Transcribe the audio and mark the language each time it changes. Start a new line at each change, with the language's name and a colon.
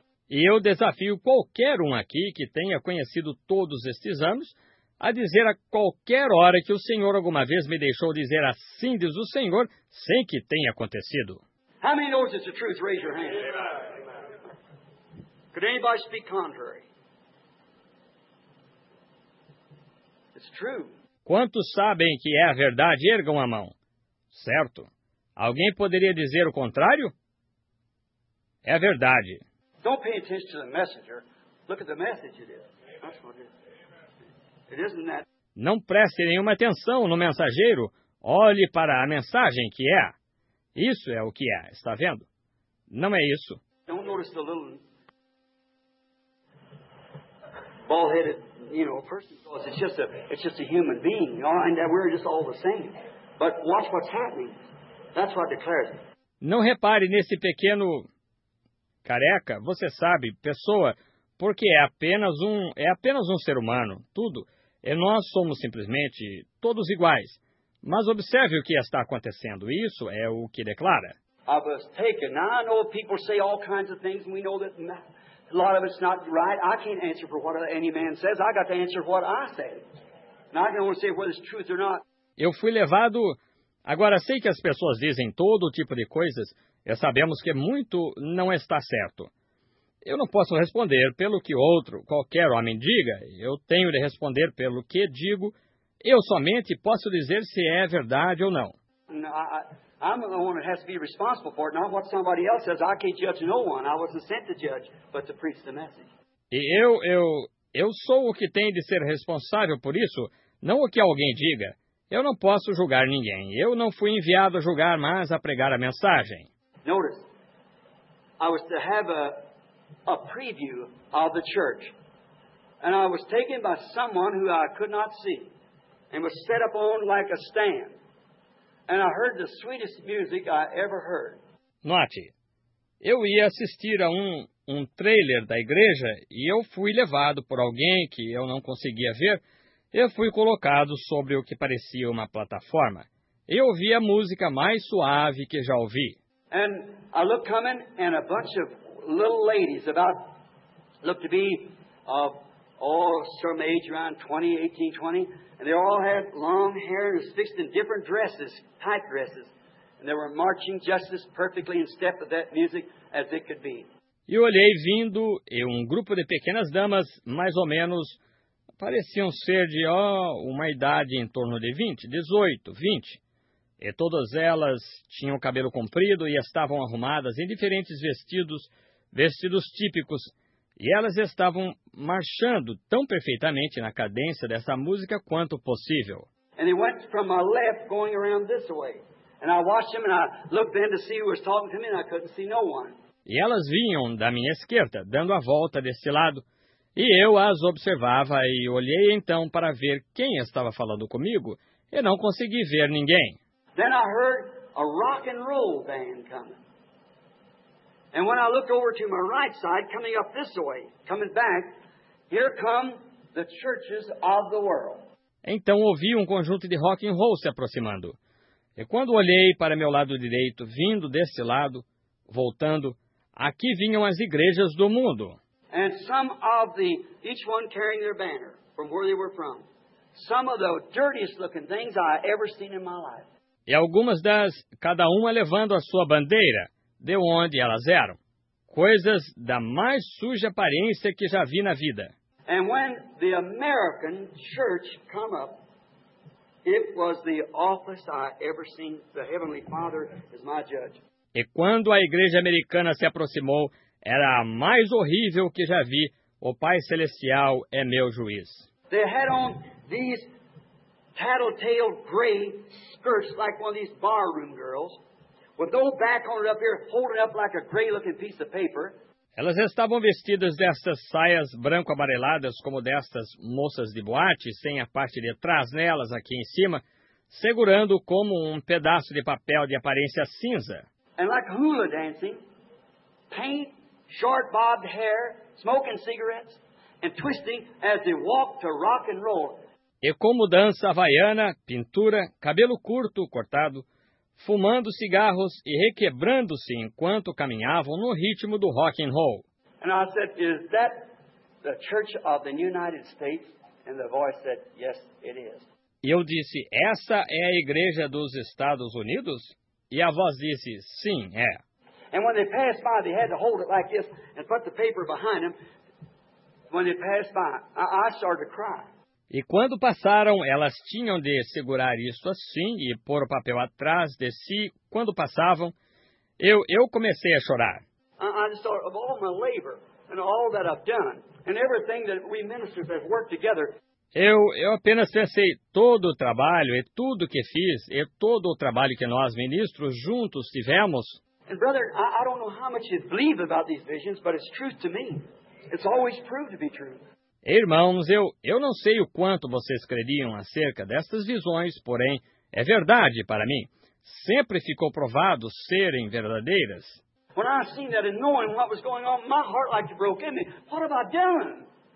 Portuguese: E eu desafio qualquer um aqui que tenha conhecido todos estes anos a dizer a qualquer hora que o Senhor alguma vez me deixou dizer assim diz o Senhor, sem que tenha acontecido.
English: How many knows it's the truth? Raise your hand. Amen. Could anybody speak contrary? It's true.
Portuguese: Quantos sabem que é a verdade? Ergam a mão. Certo. Alguém poderia dizer o contrário? É a verdade.
English: Don't pay attention to the messenger. Look at the message it is. That's what it is. It isn't that.
Portuguese: Não preste nenhuma atenção no mensageiro. Olhe para a mensagem que é. Isso é o que é, está vendo? Não é isso.
English: Don't notice the little bald-headed, you know, person. It's just a human being. You know, and we're just all the same. But watch what's happening. That's what declares it.
Portuguese: Não repare nesse pequeno careca, você sabe, pessoa, porque é apenas um ser humano. Tudo E nós somos simplesmente todos iguais. Mas observe o que está acontecendo. Isso é o que declara.
English: I was taken. Now I know people say all kinds of things, and we know that a lot of it's not right. I can't answer for what any man says. I got to answer what I say. Now I don't want to say whether it's truth or not.
Portuguese: Eu fui levado. Agora sei que as pessoas dizem todo tipo de coisas, e sabemos que muito não está certo. Eu não posso responder pelo que outro, qualquer homem diga. Eu tenho de responder pelo que digo. Eu somente posso dizer se é verdade ou não.
English: I'm the one that has to be responsible for it, not what somebody else says. I can't judge no one. I wasn't sent to judge, but to preach the message.
Portuguese: E eu sou o que tem de ser responsável por isso, não o que alguém diga. Eu não posso julgar ninguém. Eu não fui enviado a julgar, mas a pregar a mensagem.
English: Notice, I was to have a preview of the church. And I was taken by someone who I could not see and was set up on like a stand. And I heard the sweetest music I ever heard.
Portuguese: Note, eu ia assistir a um trailer da igreja e eu fui levado por alguém que eu não conseguia ver. Eu fui colocado sobre o que parecia uma plataforma. Eu ouvi a música mais suave que já ouvi.
English: And I looked coming and a bunch of little ladies about looked to be of some age around 20, 18, 20. And they all had long hair and was fixed in different dresses, tight dresses. And they were marching just as perfectly in step with that music as it could be.
Portuguese: E olhei vindo e um grupo de pequenas damas, mais ou menos, pareciam ser de uma idade em torno de 20, 18, 20. E todas elas tinham cabelo comprido e estavam arrumadas em diferentes vestidos típicos. E elas estavam marchando tão perfeitamente na cadência dessa música quanto possível.
English: And they went from my left going around this way. And I watched them and I looked in to see who was talking to me and I couldn't see no one.
Portuguese: E elas vinham da minha esquerda, dando a volta desse lado. E eu as observava e olhei então para ver quem estava falando comigo e não consegui ver ninguém.
English: Then I heard a rock and roll band coming. And when I looked over to my right side, coming up this way, coming back, here come the churches of the world.
Portuguese: Então ouvi um conjunto de rock and roll se aproximando. E quando olhei para meu lado direito, vindo desse lado, voltando, aqui vinham as igrejas do mundo.
English: And some of the, each one carrying their banner from where they were from. Some of the dirtiest looking things I ever seen in my life.
Portuguese: E algumas das, cada uma levando a sua bandeira. De onde elas eram. Coisas da mais suja aparência que já vi na vida.
English: And when the American church come up, it was the office I ever seen. The Heavenly Father is my judge.
Portuguese: E quando a igreja americana se aproximou, era a mais horrível que já vi. O Pai Celestial é meu juiz.
English: They had on these tattletale gray skirts like one of these barroom girls. With no back on it up here, holding up like a gray-looking piece of paper.
Portuguese: Elas estavam vestidas destas saias branco-amareladas, como destas moças de boate, sem a parte de trás nelas aqui em cima, segurando como um pedaço de papel de aparência cinza.
English: And like hula dancing, paint, short bobbed hair, smoking cigarettes, and twisting as they walk to rock and roll.
Portuguese: E como dança havaiana, pintura, cabelo curto, cortado, fumando cigarros e requebrando-se enquanto caminhavam no ritmo do rock and roll.
English: And I said, is that the church of the United States? And the voice said, yes, it is.
Portuguese: E eu disse, essa é a igreja dos Estados Unidos? E a voz disse, sim, é.
English: And when they passed by, they had to hold it like this and put the paper behind them. When they passed by, I started to cry.
Portuguese: E quando passaram, elas tinham de segurar isso assim e pôr o papel atrás de si. Quando passavam, eu comecei a chorar.
English: I just thought of all my labor and all that I've done and everything that we ministers have worked together.
Portuguese: Eu apenas pensei todo o trabalho e tudo que fiz e todo o trabalho que nós ministros juntos tivemos.
English: And brother, I don't know how much you believe about these visions, but it's truth to me. It's always proved to be true.
Portuguese: Irmãos, eu não sei o quanto vocês creriam acerca destas visões, porém, é verdade para mim. Sempre ficou provado serem verdadeiras.
English: When I seen that and knowing what was going on, my heart like broke in me. What have I done?